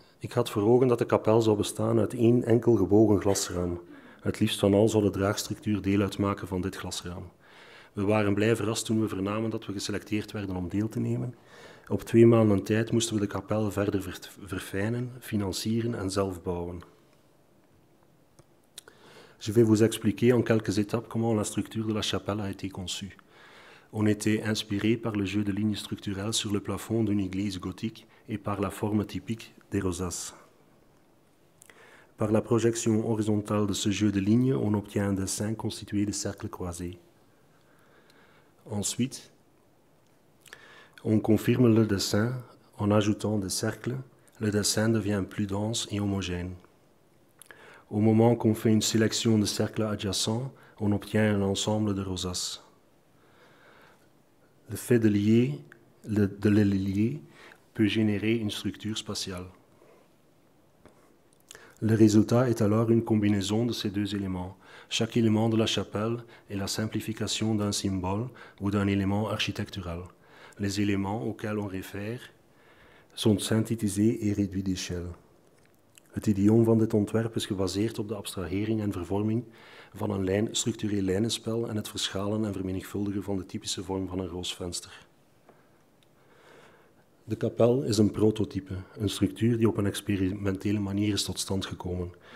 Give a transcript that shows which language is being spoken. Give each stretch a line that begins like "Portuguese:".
Dutch: Ik had voor ogen dat de kapel zou bestaan uit één enkel gebogen glasraam. Het liefst van al zou de draagstructuur deel uitmaken van dit glasraam. We waren blij verrast toen we vernamen dat we geselecteerd werden om deel te nemen. Op 2 maanden tijd moesten we de kapel verder verfijnen, financieren en zelf bouwen.
French: Je vais vous expliquer en quelques étapes comment la structure de la chapelle a été conçue. On était inspiré par le jeu de lignes structurelles sur le plafond d'une église gothique et par la forme typique des rosaces. Par la projection horizontale de ce jeu de lignes, on obtient un dessin constitué de cercles croisés. Ensuite, on confirme le dessin en ajoutant des cercles. Le dessin devient plus dense et homogène. Au moment qu'on fait une sélection de cercles adjacents, on obtient un ensemble de rosaces. Le fait de les lier peut générer une structure spatiale. Le résultat est alors une combinaison de ces 2 éléments. Chaque élément de la chapelle est la simplification d'un symbole ou d'un élément architectural. Les éléments auxquels on réfère sont synthétisés et réduits d'échelle.
Dutch: Het idioom van dit ontwerp is gebaseerd op de abstrahering en vervorming van een structureel lijnenspel en het verschalen en vermenigvuldigen van de typische vorm van een roosvenster. De kapel is een prototype, een structuur die op een experimentele manier is tot stand gekomen.